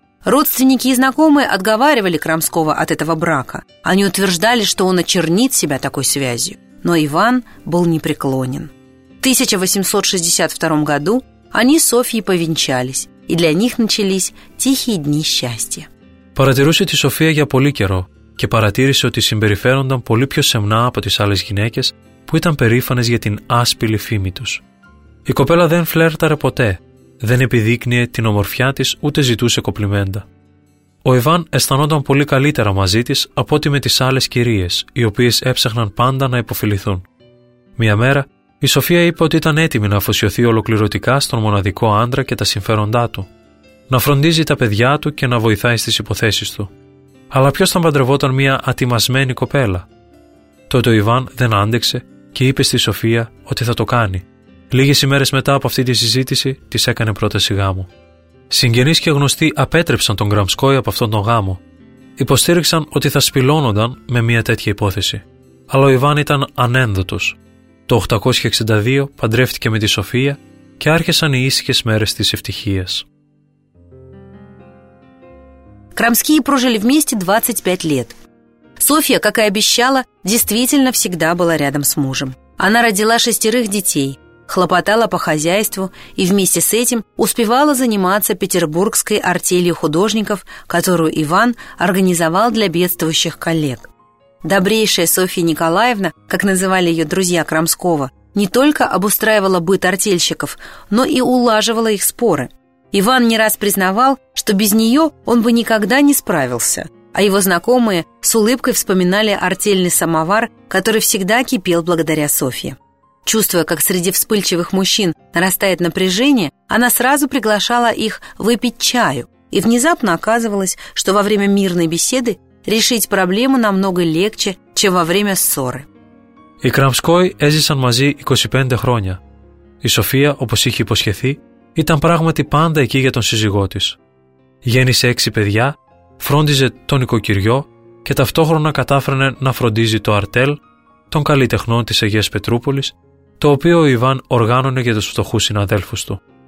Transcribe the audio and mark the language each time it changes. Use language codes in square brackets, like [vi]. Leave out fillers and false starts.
[ru] Родственники и знакомые отговаривали Крамского от этого брака. Они утверждали, что он очернит себя такой связью. Но Иван был непреклонен. В 1862 году они с Софьей повенчались, и для них начались тихие дни счастья. [el] Παρατηρούσε τη Σοφία για πολύ καιρό και παρατήρησε ότι συμπεριφέρονταν πολύ πιο σεμνά από τις άλλες γυναίκες που ήταν περήφανες για την άσπηλη φήμη τους. Η κοπέλα δεν φλέρταρε ποτέ, δεν επιδείκνυε την ομορφιά της ούτε ζητούσε κοπλιμέντα. Ο Ιβάν αισθανόταν πολύ καλύτερα μαζί της από ό,τι με τις άλλες κυρίες, οι οποίες έψαχναν πάντα να υποφιληθούν. Μία μέρα, η Σοφία είπε ότι ήταν έτοιμη να αφοσιωθεί ολοκληρωτικά στον μοναδικό άντρα και τα συμφέροντά του, να φροντίζει τα παιδιά του και να βοηθάει στις υποθέσεις του. Αλλά ποιος θα παντρευόταν μια ατιμασμένη κοπέλα? Τότε ο Ιβάν δεν άντεξε και είπε στη Σοφία ότι θα το κάνει. Λίγες ημέρες μετά από αυτή τη συζήτηση, της έκανε πρόταση γάμου. Συγγενείς και γνωστοί απέτρεψαν τον Κραμσκόη από αυτόν τον γάμο. Υποστήριξαν ότι θα σπηλώνονταν με μια τέτοια υπόθεση. Αλλά ο Ιβάν ήταν ανένδοτος. Το 862 παντρεύτηκε με τη Σοφία και άρχισαν οι ήσυχες μέρες της ευτυχίας. [ru] Крамские прожили вместе 25 лет. Софья, как и обещала, действительно всегда была рядом с мужем. Она родила шестерых детей, хлопотала по хозяйству и вместе с этим успевала заниматься петербургской артелью художников, которую Иван организовал для бедствующих коллег. Добрейшая Софья Николаевна, как называли ее друзья Крамского, не только обустраивала быт артельщиков, но и улаживала их споры. Иван не раз признавал, что без нее он бы никогда не справился, а его знакомые с улыбкой вспоминали артельный самовар, который всегда кипел благодаря Софье. Чувствуя, как среди вспыльчивых мужчин нарастает напряжение, она сразу приглашала их выпить чаю, и внезапно оказывалось, что во время мирной беседы решить проблему намного легче, чем во время ссоры. [el] Οι Крамской έζησαν μαζί 25 χρόνια. Η Σοφία, όπως είχε υποσχεθεί, ήταν πράγματι πάντα εκεί για τον σύζυγό της. Γέννησε 6 παιδιά, φρόντιζε το νοικοκυριό και ταυτόχρονα κατάφερνε να φροντίζει το αρτέλ των καλλιτεχνών της Αγίας Πετρούπολης, το οποίο ο Ιβάν οργάνωνε για τους φτωχούς συναδέλφους του.